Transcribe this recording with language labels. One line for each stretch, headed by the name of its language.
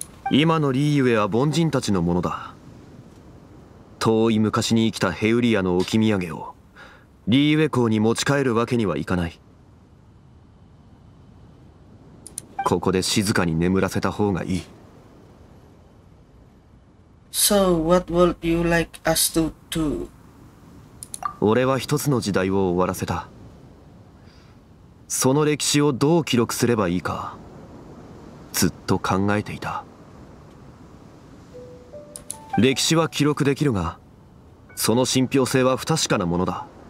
Japanese: 今のリーユエは凡人たちのものだ。遠い昔に生きたヘウリアの置き土産をリーユエ港に持ち帰るわけにはいかない。ここで静かに眠らせた方がいい。
English: So, what would you like us to do?
Japanese: 俺は一つの時代を終わらせた。その歴史をどう記録すればいいか、ずっと考えていた。歴史は記録できるが、その信憑性は不確かなものだ。